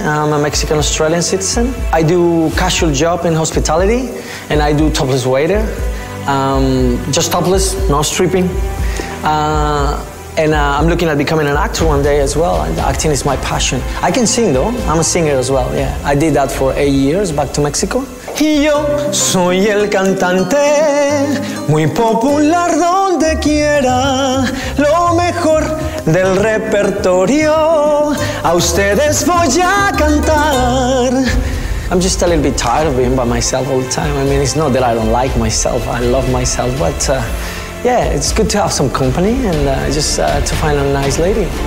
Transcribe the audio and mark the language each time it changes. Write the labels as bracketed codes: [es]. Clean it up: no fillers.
[en] I'm a Mexican-Australian citizen. I do casual job in hospitality, and I do topless waiter. Just topless, no stripping. I'm looking at becoming an actor one day as well. Acting is my passion. I can sing, though. I'm a singer as well, yeah. I did that for 8 years back to Mexico. [es] Y yo soy el cantante, muy popular donde quiera, lo mejor del repertorio, a ustedes voy a cantar. [en] I'm just a little bit tired of being by myself all the time. I mean, it's not that I don't like myself, I love myself, but yeah, it's good to have some company and to find a nice lady.